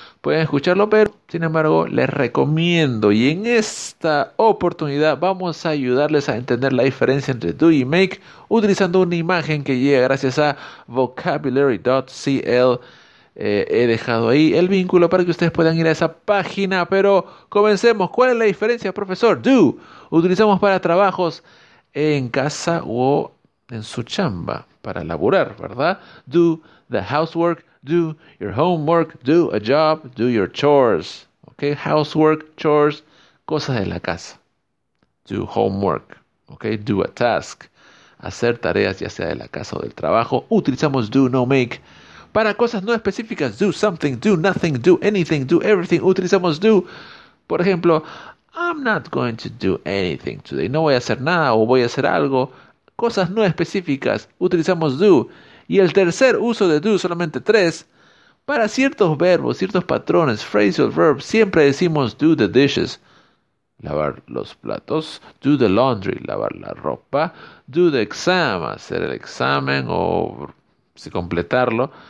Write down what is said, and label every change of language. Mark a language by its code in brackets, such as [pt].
[es] Pueden escucharlo, pero sin embargo, les recomiendo y en esta oportunidad vamos a ayudarles a entender la diferencia entre do y make utilizando una imagen que llega gracias a vocabulary.cl. He dejado ahí el vínculo para que ustedes puedan ir a esa página, pero comencemos. ¿Cuál es la diferencia, profesor? Do utilizamos para trabajos en casa o en su chamba, para laburar, ¿verdad? [en] Do the housework, do your homework, do a job, do your chores. ¿Ok? Housework, chores, [es] cosas de la casa. [en] Do homework. ¿Ok? Do a task. [es] Hacer tareas, ya sea de la casa o del trabajo. Utilizamos do, no make. Para cosas no específicas, [en] do something, do nothing, do anything, do everything, [es] utilizamos do. Por ejemplo, [en] I'm not going to do anything today. [es] No voy a hacer nada o voy a hacer algo. Cosas no específicas, utilizamos do. Y el tercer uso de do, solamente tres, para ciertos verbos, ciertos patrones, phrasal verbs, siempre decimos [en] do the dishes, [es] lavar los platos, [en] do the laundry, [es] lavar la ropa, [en] do the exam, [es] hacer el examen o si completarlo.